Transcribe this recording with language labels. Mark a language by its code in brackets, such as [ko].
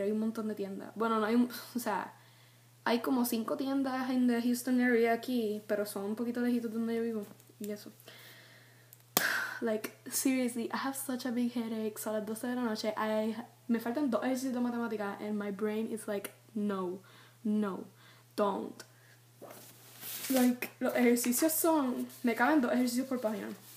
[es] Hay un montón de tiendas. Bueno, no hay. O sea. Hay como 5 tiendas en [en] the Houston area [es] aquí, pero son un poquito lejitos de donde yo vivo. Y eso. [en] Like, seriously, I have such a big headache. [es] So a las 12 de la noche, me faltan 2 ejercicios de matemática. [en] And my brain is like, no, no, don't. [es] Like, los ejercicios son, me caben 2 ejercicios por página.